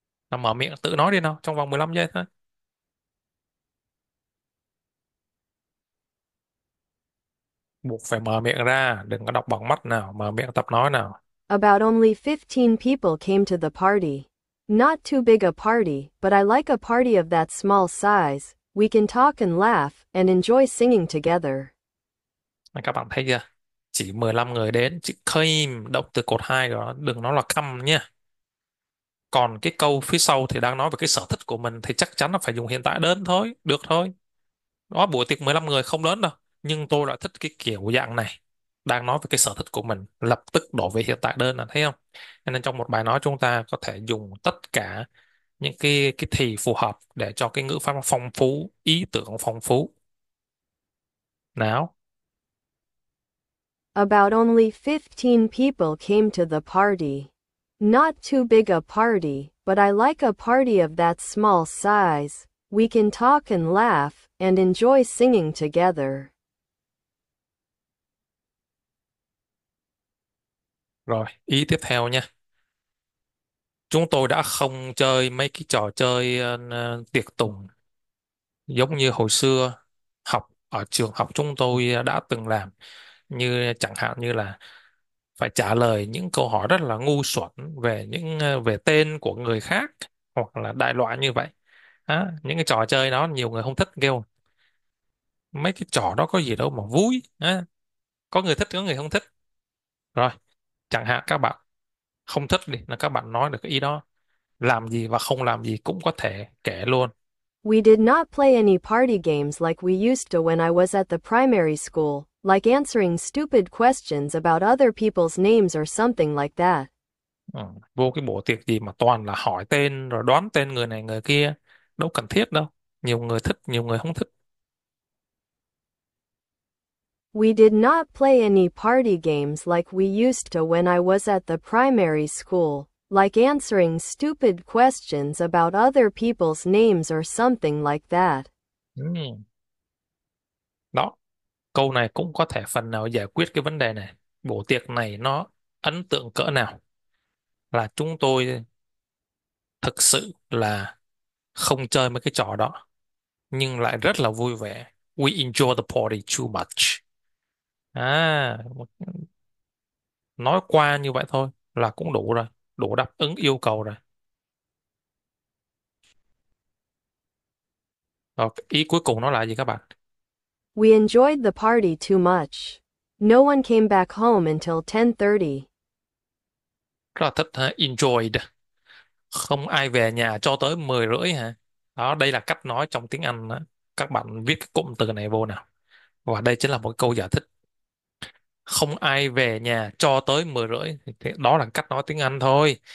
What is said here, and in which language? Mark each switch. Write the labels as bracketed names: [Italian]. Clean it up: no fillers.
[Vietnamese] Nó mở miệng tự nói đi nào, trong vòng 15 giây thôi. Buộc phải mở miệng ra, đừng có đọc bằng mắt nào, mở miệng tập nói nào. [English] About only 15 people came to the party. Not too big a party, but I like a party of that small size. We can talk and laugh and enjoy singing together. [Vietnamese] Các bạn thấy chưa? Chỉ 15 người đến, chữ came, động từ cột 2 đó, đừng nói là come nha. Còn cái câu phía sau thì đang nói về cái sở thích của mình thì chắc chắn là phải dùng hiện tại đơn thôi, được thôi. Đó, buổi tiệc 15 người không lớn đâu. Nhưng tôi lại thích cái kiểu dạng này. Đang nói về cái sở thích của mình, lập tức đổi về hiện tại đơn là thấy không? Nên trong một bài nói chúng ta có thể dùng tất cả những cái thì phù hợp để cho cái ngữ pháp phong phú, ý tưởng phong phú. Nào. [English] About only 15 people came to the party. Not too big a party, but I like a party of that small size. We can talk and laugh and enjoy singing together. [Vietnamese] Rồi, ý tiếp theo nha. Chúng tôi đã không chơi mấy cái trò chơi tiệc tùng giống như hồi xưa học ở trường học chúng tôi đã từng làm, như chẳng hạn như là phải trả lời những câu hỏi rất là ngu xuẩn về những về tên của người khác hoặc là đại loại như vậy. À, những cái trò chơi đó nhiều người không thích, kêu mấy cái trò đó có gì đâu mà vui. À, có người thích, có người không thích. Rồi, chẳng hạn các bạn không thích đi, là các bạn nói được cái ý đó, làm gì và không làm gì cũng có thể kể luôn. [English] We did not play any party games like we used to when I was at the primary school, like answering stupid questions about other people's names or something like that. [Vietnamese] Vô cái bộ tiệc gì mà toàn là hỏi tên rồi đoán tên người này người kia, đâu cần thiết đâu. Nhiều người thích, nhiều người không thích. [English] We did not play any party games like we used to when I was at the primary school, like answering stupid questions about other people's names or something like that. [Vietnamese] Đó, câu này cũng có thể phần nào giải quyết cái vấn đề này. Bộ tiệc này nó ấn tượng cỡ nào, là chúng tôi thực sự là không chơi mấy cái trò đó, nhưng lại rất là vui vẻ. [English] We enjoy the party too much. [Vietnamese] Nói qua như vậy thôi là cũng đủ rồi, đủ đáp ứng yêu cầu rồi. Rồi, ý cuối cùng nó là gì các bạn? [English] We enjoyed the party too much. No one came back home until 10:30. [Vietnamese] Rất là thích ha, enjoyed. Không ai về nhà cho tới 10 rưỡi hả? Đó, đây là cách nói trong tiếng Anh đó. Các bạn viết cái cụm từ này vô nào. Và đây chính là một câu giải thích. Không ai về nhà cho tới 10 rưỡi. Đó là cách nói tiếng Anh thôi.